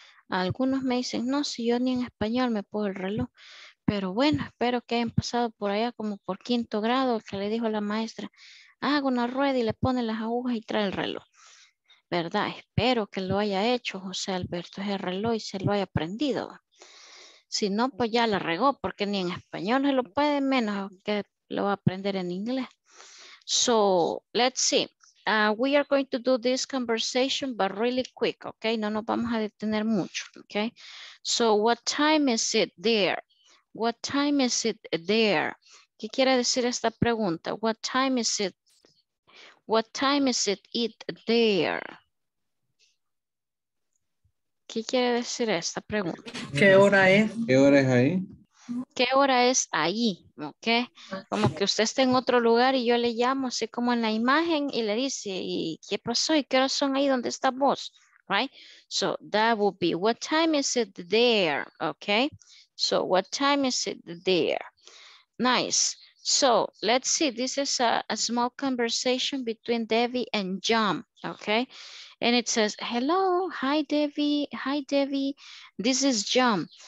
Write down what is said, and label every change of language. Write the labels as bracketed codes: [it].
[es] Algunos me dicen, no, si yo ni en español me puedo el reloj, pero bueno, espero que hayan pasado por allá como por quinto grado, que le dijo la maestra, haga una rueda y le pone las agujas y trae el reloj. ¿Verdad? Espero que lo haya hecho José Alberto ese reloj y se lo haya aprendido. Si no, pues ya la regó, porque ni en español se lo puede, menos que lo va a aprender en inglés. [en] So, let's see. We are going to do this conversation, but really quick, okay? [es] No nos vamos a detener mucho, okay? [en] So, what time is it there? What time is it there? [es] ¿Qué quiere decir esta pregunta? [en] What time is it? What time is it there? [es] ¿Qué quiere decir esta pregunta? ¿Qué hora es? ¿Qué hora es ahí? ¿Qué hora es ahí? ¿Ok? Como que usted está en otro lugar y yo le llamo así como en la imagen y le dice, ¿y qué pasó? ¿Y qué hora son ahí? ¿Dónde está vos? Right? [en] So that would be, what time is it there? ¿Ok? So what time is it there? Nice. So, let's see, this is a small conversation between Debbie and John, okay? And it says, hello, hi Debbie, this is John.